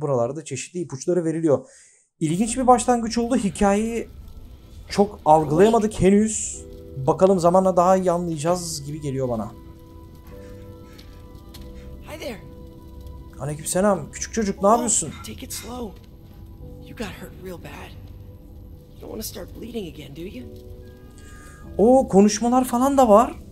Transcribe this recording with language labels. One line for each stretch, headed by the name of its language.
Turkish: Buralarda çeşitli ipuçları veriliyor. İlginç bir başlangıç oldu. Hikayeyi çok algılayamadık henüz. Bakalım zamanla daha iyi anlayacağız gibi geliyor bana.
English: Hi there.
Turkish: Aleyküm selam. Küçük çocuk, ne yapıyorsun?
English: Take it slow. You got hurt real bad. I want to start bleeding again, do you?
Turkish: Oo, konuşmalar falan da var.